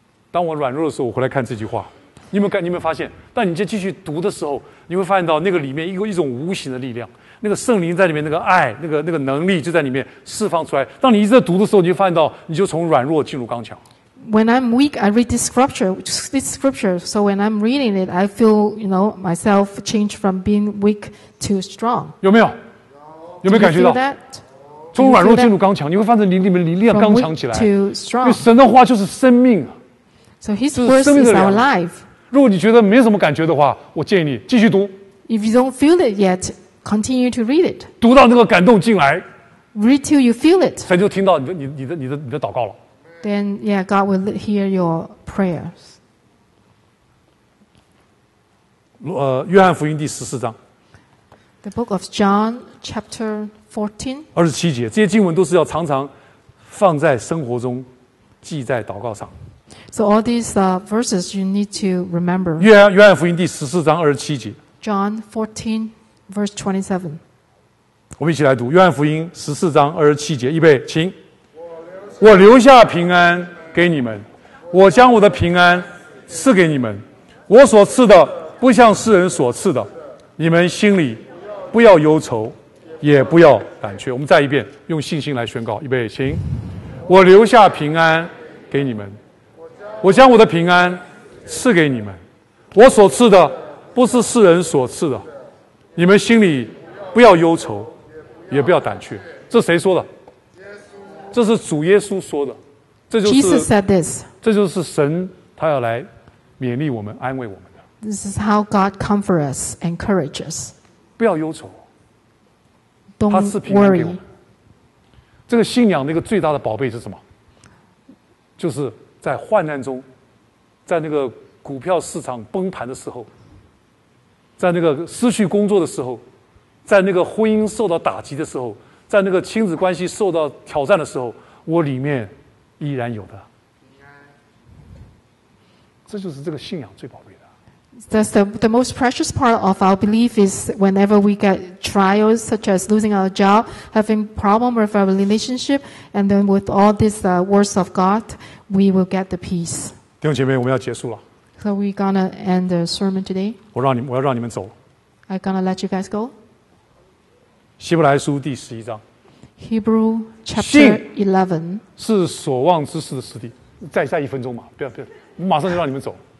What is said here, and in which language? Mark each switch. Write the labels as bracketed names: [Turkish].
[Chinese] 当我软弱的时候，我回来看这句话，你有没有发现？当你再继续读的时候，你会发现到那个里面有一种无形的力量，那个圣灵在里面，那个爱，那个能力就在里面释放出来。当你一直在读的时候，你就发现到，你就从软弱进入刚强。 [English] When I'm weak, I read this scripture. So when I'm reading it, I feel myself change from being weak to strong. [Chinese] 有没有？有没有感觉到？从软弱进入刚强，你会发现你里面力量刚强起来。 [English] From weak to strong. [Chinese] 因为神的话就是生命啊。 [English] So his words is our life. [Chinese] 如果你觉得没什么感觉的话，我建议你继续读。 [English] If you don't feel it yet, continue to read it. [Chinese] 读到那个感动进来。 [English] Read till you feel it. [Chinese] 神就听到你的祷告了。 [English] Then yeah, God will hear your prayers. [Chinese] 约翰福音第十四章。 [English] The book of John, chapter 14. [Chinese] 二十七节，这些经文都是要常常放在生活中，记在祷告上。 [English] So all these verses you need to remember. [Chinese] 约翰福音第十四章二十七节。 [English] John 14 verse 27. [Chinese] 我们一起来读约翰福音十四章二十七节。预备，请。我留下平安给你们，我将我的平安赐给你们。我所赐的不像世人所赐的。你们心里不要忧愁，也不要胆怯。我们再一遍用信心来宣告。预备，请。我留下平安给你们。我将我的平安赐给你们，我所赐的不是世人所赐的，你们心里不要忧愁，也不要胆怯。这谁说的？这是主耶稣说的。这就是 [English] Jesus said this. [Chinese] 这就是神他要来勉励我们、安慰我们的。 [English] This is how God comforts us, encourages us. [Chinese] 不要忧愁。 [English] Don't worry. [Chinese] 他赐平安给我们。这个信仰的一个最大的宝贝是什么？就是。在患难中，在那个股票市场崩盘的时候，在那个失去工作的时候，在那个婚姻受到打击的时候，在那个亲子关系受到挑战的时候，我里面依然有的。这就是这个信仰最宝贵的。 [English] That's the most precious part of our belief is whenever we get trials, such as losing our job, having problem with our relationship, and then with all these words of God, we will get the peace. [Chinese] 弟兄姐妹，我们要结束了。 [English] So we're gonna end the sermon today. [Chinese] 我要让你们走。 [English] I'm gonna let you guys go. [Chinese] 希伯来书第十一章。 [English] Hebrew chapter 11. [Chinese] 是所望之事的实底。再一分钟嘛，不要不要，我马上就让你们走。